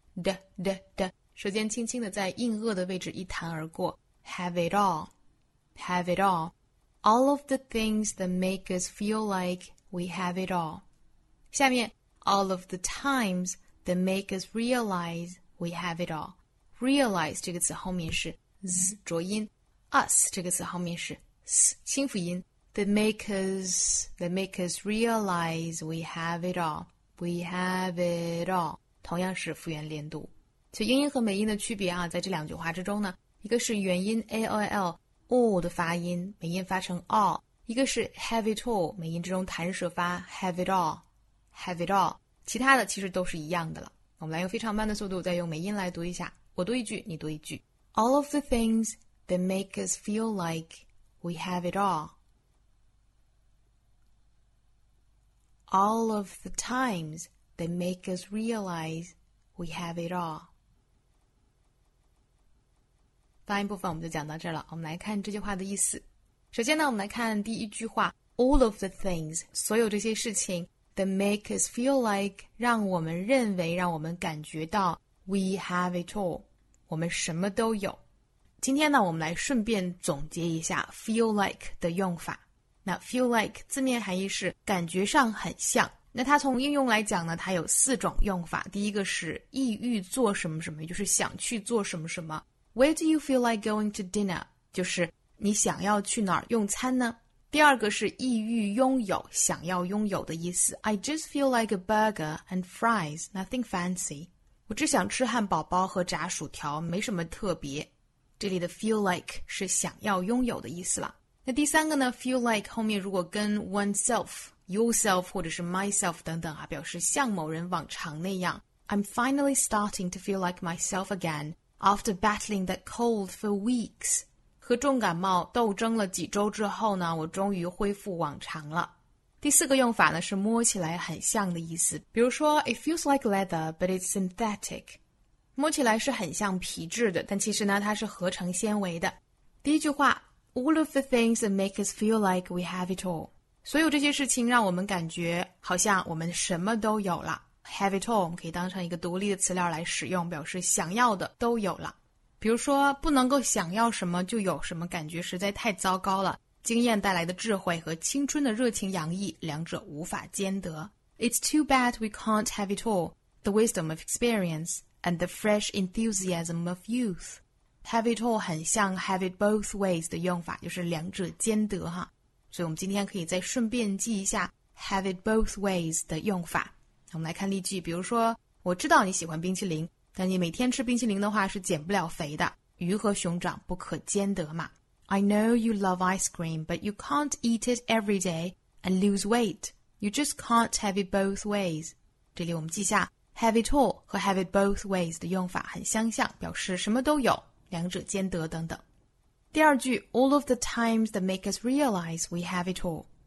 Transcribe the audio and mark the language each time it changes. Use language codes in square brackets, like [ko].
[zh] 的，舌尖轻轻的在硬腭的位置一弹而过。 [en] Have it all， all of the things that make us feel like we have it all。 [zh] 下面 [en] all of the times that make us realize we have it all， [zh] realize 这个词后面是 z 浊音， us 这个词后面是 s 轻辅音， [en] that make us realize we have it all， [zh] 同样是辅元连读。所以英音和美音的区别啊，在这两句话之中呢，一个是元音 ALL all 的发音，美音发成 all， 一个是 [en] have it all， [zh] 美音之中弹舌发 have it all， 其他的其实都是一样的了。我们来用非常慢的速度再用美音来读一下，我读一句你读一句。 [en] All of the things that make us feel like we have it all， all of the times that make us realize we have it all。 [zh] 发音部分我们就讲到这了，我们来看这句话的意思。首先呢，我们来看第一句话， [en] All of the things， [zh] 所有这些事情， [en] That make us feel like， [zh] 让我们认为，让我们感觉到 [en] We have it all， [zh] 我们什么都有。今天呢，我们来顺便总结一下 feel like 的用法。那 feel like 字面含义是感觉上很像。那它从应用来讲呢，它有四种用法。第一个是意欲做什么什么，就是想去做什么什么。 [en] Where do you feel like going to dinner? [zh] 就是你想要去哪儿用餐呢？第二个是意欲拥有，想要拥有的意思。 [en] I just feel like a burger and fries, nothing fancy. [zh] 我只想吃汉堡包和炸薯条，没什么特别。这里的 feel like 是想要拥有的意思了。那第三个呢， feel like 后面如果跟 oneself, yourself 或者是 myself 等等啊，表示像某人往常那样。 [en] I'm finally starting to feel like myself again after battling that cold for weeks. [zh] 和重感冒斗争了几周之后呢，我终于恢复往常了。第四个用法呢，是摸起来很像的意思。比如说 [en] ,it feels like leather, but it's synthetic. [zh] 摸起来是很像皮质的，但其实呢，它是合成纤维的。第一句话 [en] ,all of the things that make us feel like we have it all. [zh] 所有这些事情让我们感觉好像我们什么都有了。 [en] have it all, [zh] 我们可以当成一个独立的词料来使用，表示想要的都有了。比如说不能够想要什么就有什么，感觉实在太糟糕了。经验带来的智慧和青春的热情洋溢，两者无法兼得。 [en] It's too bad we can't have it all, the wisdom of experience and the fresh enthusiasm of youth. Have it all [zh] 很像 [en] have it both ways [zh] 的用法，就是两者兼得哈。所以我们今天可以再顺便记一下 [en] have it both ways [zh] 的用法。我们来看例句，比如说我知道你喜欢冰淇淋，那你每天吃冰淇淋的话是减不了肥的，鱼和熊掌不可兼得嘛。 [en] I know you love ice cream, but you can't eat it every day and lose weight. You just can't have it both ways. [zh] 这里我们记下 [en] have it all [zh] 和 [en] have it both ways [zh] 的用法很相像，表示什么都有，两者兼得等等。第二句 [en] ,all of the times that make us realize we have it all.